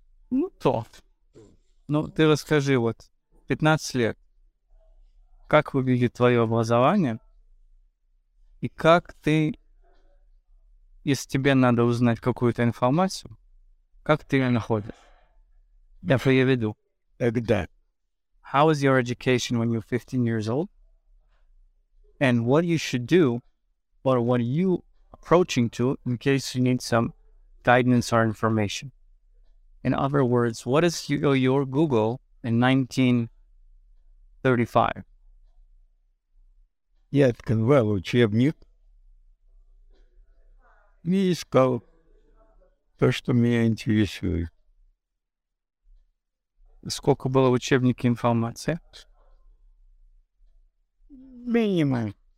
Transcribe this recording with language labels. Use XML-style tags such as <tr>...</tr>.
<ru>Ну, то. Ну, ты расскажи, вот, 15 лет. Как выглядит твое образование? И как ты, если тебе надо узнать какую-то информацию, как ты ее находишь? Я приведу. Когда?</ru> <en>How is your education when you're 15 years old? And what you should do, or what are you approaching to in case you need some guidance or information? In other words, what is your Google in 1935?</en> <ru>Я открывал учебник и искал то, что меня интересует. Сколько было в учебнике информации? Минимум.</ru>